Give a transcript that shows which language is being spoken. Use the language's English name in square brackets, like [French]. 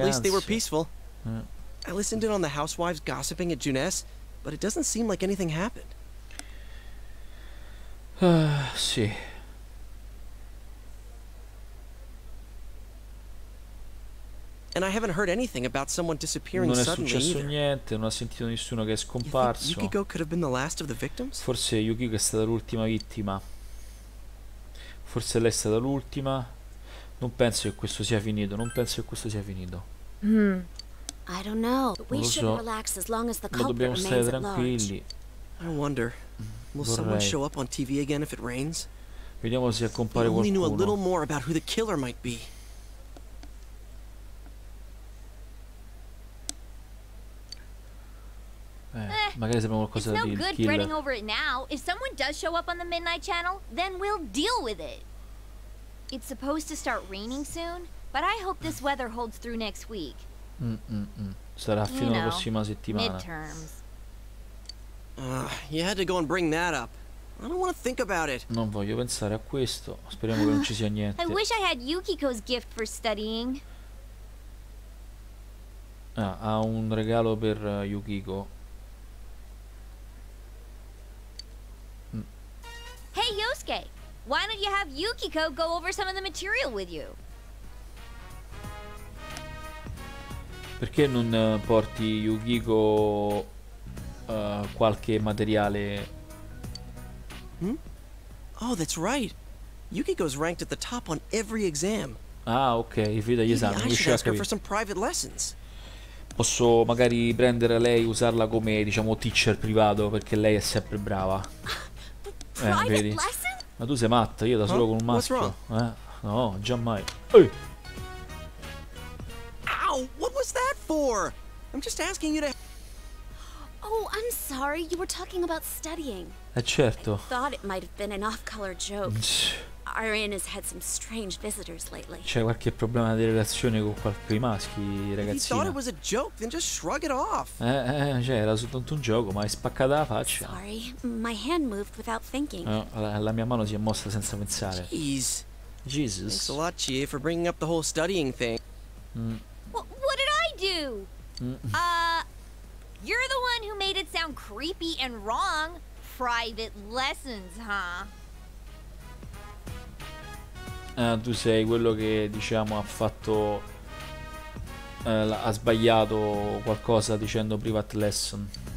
[English] At least they were peaceful. I listened in on the housewives gossiping at Juness, but it doesn't seem like anything happened. [Italian] Sì. [English] And I haven't heard anything about someone disappearing [Italian] non [English] suddenly. [Italian] Non è successo [English] either. [Italian] Niente, non ha sentito nessuno che è scomparso. [English] You think Yukiko could have been the last of the victims? [Italian] Forse Yukiko è stata l'ultima vittima. Forse lei è stata l'ultima. Non penso che questo sia finito, non penso che questo sia finito. [English] I don't know. We should relax as long as the culprit [Italian] dobbiamo stare tranquilli. [English] I wonder. Will someone show up on TV again if it rains? [Italian] Vediamo se compare qualcuno. [English] Knew a little more about who the killer might be. [Italian] Magari sappiamo qualcosa [English] it's [Italian] di [English] no good killer. Fretting over it now. If someone does show up on the Midnight Channel, then we'll deal with it. It's supposed to start raining soon, but I hope this weather holds through next week. [Italian] Sarà [English] you [Italian] fino alla prossima settimana. [English] Midterms. You had to go and bring that up. I don't want to think about it. [Italian] Non voglio pensare a questo. Speriamo che non ci sia niente. [English] I wish I had Yukiko's gift for studying. [Italian] Ah, ha un regalo per Yukiko. [English] Hey, Yosuke! Why don't you have Yukiko go over some of the material with you? [Italian] Perché non porti Yukiko qualche materiale? [English] Hmm? Oh, that's right. Yukiko's ranked at the top on every exam. [Italian] Ah, ok, i figli degli esami. [English] I should ask her for some private lessons. [Italian] Posso magari prendere lei, usarla come, diciamo, teacher privato, perché lei è sempre brava. Vedi? Ma tu sei matta, io da solo con un maschio. No, già mai. [English] Ow, what was that for? I'm just asking you to... Oh, I'm sorry, you were talking about studying. Certo. I thought it might have been an off-color joke. Arian has had some strange visitors lately. [Italian] C'è qualche problema di relazione con qualche maschi, ragazzina. [English] If he thought it was a joke, then just shrug it off. [Italian] Cioè, era soltanto un gioco, ma hai spaccata la faccia. [English] Sorry, my hand moved without thinking. [Italian] La mia mano si è mossa senza pensare. [English] Jeez. Jesus. Thanks a lot, Chie, for bringing up the whole studying thing. What did I do? You're the one who made it sound creepy and wrong. Private lessons, huh? [Italian] Tu sei quello che, diciamo, ha fatto ha sbagliato qualcosa dicendo [English] private lesson.